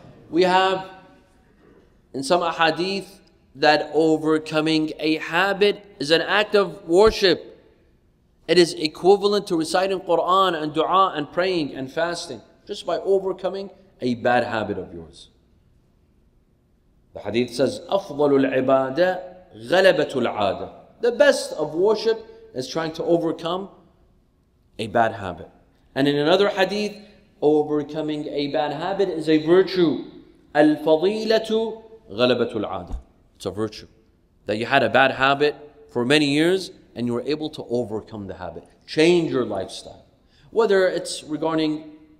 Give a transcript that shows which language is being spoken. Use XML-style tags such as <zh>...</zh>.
<en>We have in some ahadith that overcoming a habit is an act of worship. It is equivalent to reciting Quran and dua and praying and fasting just by overcoming a bad habit of yours.</en> <ar>The hadith says, أفضل العبادة غلبة العادة.</ar> <en>The best of worship is trying to overcome a bad habit. And in another hadith, overcoming a bad habit is a virtue.</en> <ar>الفضيلة غلبة العادة.</ar> <en>It's a virtue that you had a bad habit for many years and you were able to overcome the habit. Change your lifestyle. Whether it's regarding</en>